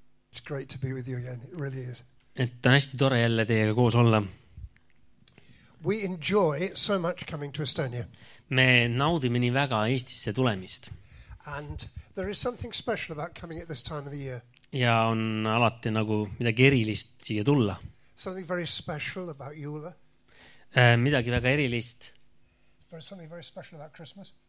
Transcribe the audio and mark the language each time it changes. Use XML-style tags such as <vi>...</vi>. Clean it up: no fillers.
<en>It's great to be with you again. It really is.</en> <et>Et on hästi tore jälle teiega koos olla.</et> <en>We enjoy so much coming to Estonia.</en> <et>Me naudime nii väga Eestisse tulemist.</et> <en>And there is something special about coming at this time of the year.</en> <et>Ja on alati nagu midagi erilist siia tulla.</et> <en>Something very special about Yule.</en> <et>Midagi väga erilist.</et> <en>There is something very special about Christmas.</en>